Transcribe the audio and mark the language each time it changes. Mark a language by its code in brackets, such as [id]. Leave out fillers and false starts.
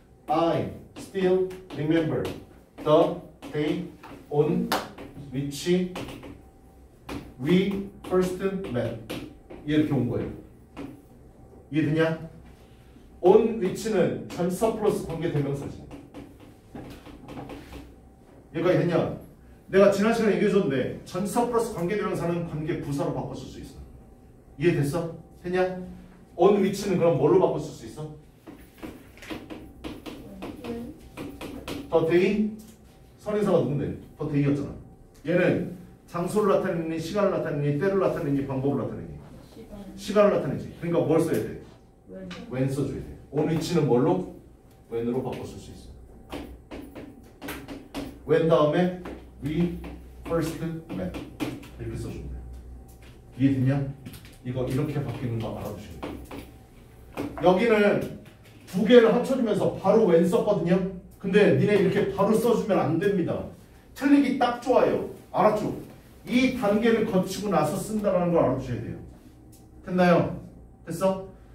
[en] I still remember the day on which we first met. [ko] 이렇게 온 거예요. 이해되냐? on which는 전사 플러스 관계 대명사지. 여기까지 됐냐? 내가 지난 시간에 얘기해줬는데 전사 플러스 관계대명사는 관계 부사로 바꿨을 수 있어. 이해됐어? 됐냐? on which는 그럼 뭘로 바꿨을 수 있어? the day? 선행사가 누군데? the day였잖아. 얘는 장소를 나타내니 시간을 나타내니 때를 나타내니 방법을 나타내니 시간을 나타내지. 그러니까 뭘 써야 돼? when 써줘야 돼. on which는 뭘로? when으로 바꿨을 수 있어. [en] when [ko] 다음에 [en] we first met. [ko] 이렇게 써주면 돼요. 이해되냐? 이거 이렇게 바뀌는 거 알아두시면 돼요. 여기는 두 개를 합쳐주면서 바로 when 썼거든요. 근데 니네 이렇게 바로 써주면 안 됩니다. 틀리기 딱 좋아요. 알았죠? 이 단계를 거치고 나서 쓴다라는 걸 알아주셔야 돼요. 됐나요? 됐어?